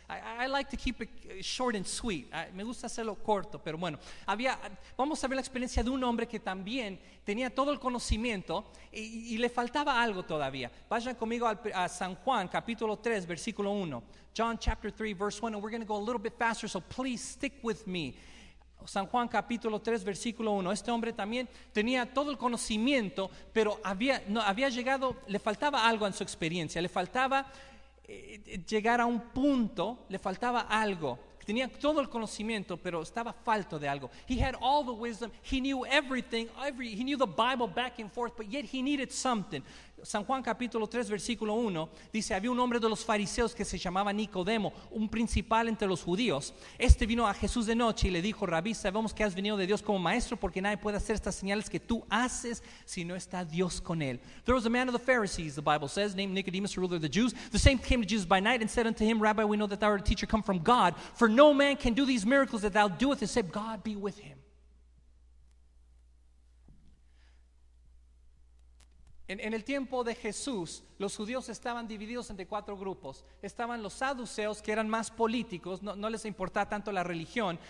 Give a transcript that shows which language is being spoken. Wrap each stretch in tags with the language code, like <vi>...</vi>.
<en>I like to keep it short and sweet.</en> <es>Me gusta hacerlo corto, pero bueno. Vamos a ver la experiencia de un hombre que también tenía todo el conocimiento y le faltaba algo todavía. Vayan conmigo a San Juan, capítulo 3, versículo 1.</es> <en>John chapter 3, verse 1. And we're going to go a little bit faster, so please stick with me.</en> <es>San Juan capítulo 3 versículo 1. Este hombre también tenía todo el conocimiento, pero había llegado, le faltaba algo en su experiencia, le faltaba llegar a un punto, le faltaba algo. Tenía todo el conocimiento, pero estaba falto de algo.</es> <en>He had all the wisdom, he knew everything, he knew the Bible back and forth, but yet he needed something.</en> <es>San Juan capítulo 3 versículo 1 dice, había un hombre de los fariseos que se llamaba Nicodemo, un principal entre los judíos. Este vino a Jesús de noche y le dijo, Rabí, sabemos que has venido de Dios como maestro, porque nadie puede hacer estas señales que tú haces si no está Dios con él.</es> <en>There was a man of the Pharisees, the Bible says, named Nicodemus, ruler of the Jews. The same came to Jesus by night and said unto him, Rabbi, we know that thou art a teacher come from God, for no man can do these miracles that thou doest except God be with him.</en> <es>En el tiempo de Jesús, los judíos estaban divididos entre cuatro grupos. Estaban los saduceos, que eran más políticos, no les importaba tanto la religión.</es>